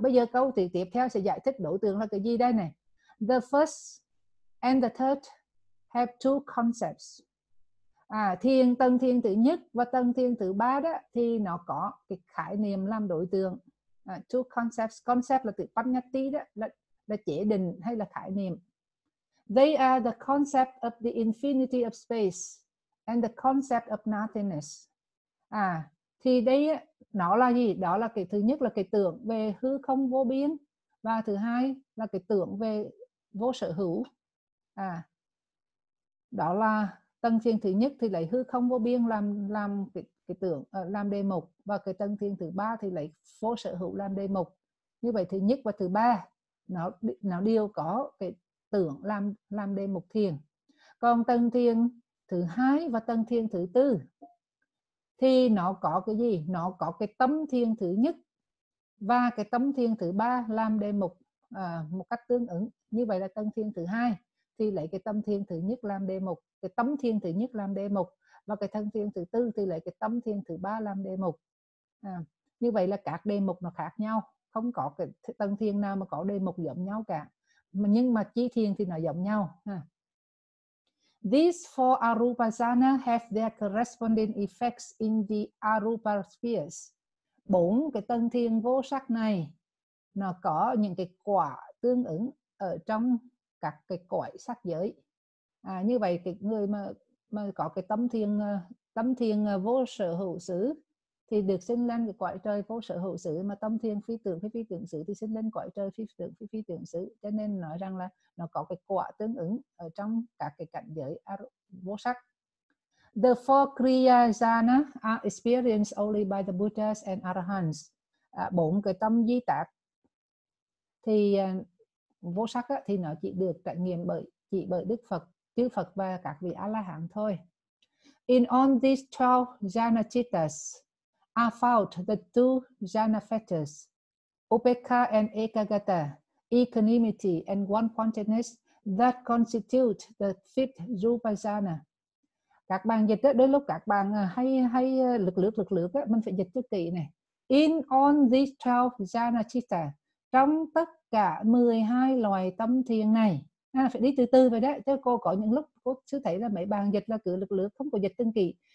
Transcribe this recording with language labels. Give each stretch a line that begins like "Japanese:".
Vietnamese: Bây giờ câu thì tiếp theo sẽ giải thích đối tượng là cái gì đây này.
English: The first and the third have two concepts.
Vietnamese: À, thiên, tân thiên thứ nhất và tân thiên thứ ba đó thì nó có cái khái niệm làm đối tượng. À,
English: two concepts.
Vietnamese: Concept là từ Panyati đó, là chế định hay là khái niệm.
English: They are the concept of the infinity of space and the concept of nothingness.
Vietnamese: À, thì đây nó là gì? Đó là cái thứ nhất là cái tưởng về hư không vô biên và thứ hai là cái tưởng về vô sở hữu. À, đó là tầng thiên thứ nhất thì lấy hư không vô biên làm cái tưởng làm đề mục và cái tầng thiên thứ ba thì lấy vô sở hữu làm đề mục. Như vậy thứ nhất và thứ ba nó đều có cái tưởng làm đề mục thiền. Còn tầng thiên thứ hai và tầng thiên thứ tư thì nó có cái gì? Nó có cái tâm thiên thứ nhất và cái tâm thiên thứ ba làm đề mục một cách tương ứng. Như vậy là tầng thiên thứ hai thì lấy cái tâm thiên thứ nhất làm đề mục, cái tâm thiên thứ nhất làm đề mục và cái thân thiên thứ tư thì lấy cái tâm thiên thứ ba làm đề mục. À, như vậy là các đề mục nó khác nhau, không có cái tân thiên nào mà có đề mục giống nhau cả. Nhưng mà chi thiên thì nó giống nhau. À.
English: These four arupasana have their corresponding effects in the arupa spheres.
Vietnamese: Bốn cái tân thiên vô sắc này nó có những cái quả tương ứng ở trong các cái cõi sắc giới. À, như vậy cái người mà có cái tâm thiền vô sở hữu xứ thì được sinh lên cái cõi trời vô sở hữu xứ, mà tâm thiền phi tưởng phi tưởng xứ thì sinh lên cõi trời phi tưởng phi tưởng xứ, cho nên nói rằng là nó có cái quả tương ứng ở trong các cái cảnh giới vô sắc.
English: The four kriya jhana are experienced only by the Buddhas and Arahants.
Vietnamese: À, bốn cái tâm di tạc thì vô sắc á, thì nó chỉ được trải nghiệm bởi Đức Phật, chư Phật và các vị A-la-hán thôi.
English: In all these 12 jhanacittas are found the two jhana fetters, upekkha and ekagata, equanimity and one pointedness that constitute the fifth rupa jhana.
Vietnamese: Các bạn dịch đó lúc các bạn hay lực lượng á, mình phải dịch cho kỹ này.
English: In all these 12 jhanacittas,
Vietnamese: trong tất cả 12 loài tâm thiền này. À, phải đi từ từ vậy đó, chứ cô có những lúc cô sư thấy là mấy bàn dịch là cứ lực lượng không có dịch từng kỳ.